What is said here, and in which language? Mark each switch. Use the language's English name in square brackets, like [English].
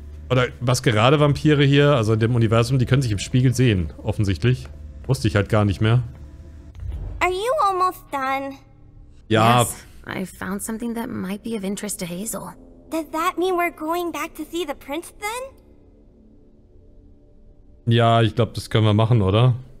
[German] Oder was gerade Vampire hier, also in dem Universum, die können sich im Spiegel sehen, offensichtlich. Wusste ich halt gar nicht mehr. [English] Are you almost done? [German] Ja. [English] Yes, I found something that might be of interest to Hazel. Does that mean we're going back to see the prince then? [German] Ja, ich glaube, das können wir machen, oder?